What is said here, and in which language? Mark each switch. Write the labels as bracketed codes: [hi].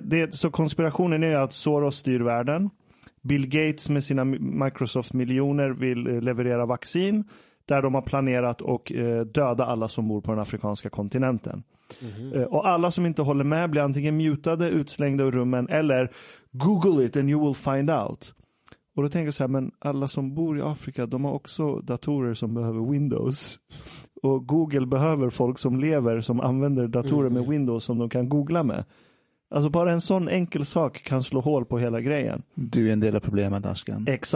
[sv] Så konspirationen är att Soros styr världen. Bill Gates med sina Microsoft-miljoner vill leverera vaccin. Där de har planerat att döda alla som bor på den afrikanska kontinenten. Mm-hmm. Och alla som inte håller med blir antingen mutade, utslängda ur rummen. [en] Eller Google it and you will find out. [sv] Och då tänker jag så här, men alla som bor i Afrika, de har också datorer som behöver Windows. Och Google behöver folk som lever, som använder datorer med Windows som de kan googla med. Alltså bara en sån enkel sak kan slå hål på hela grejen. Du är en del av problemet, Askan.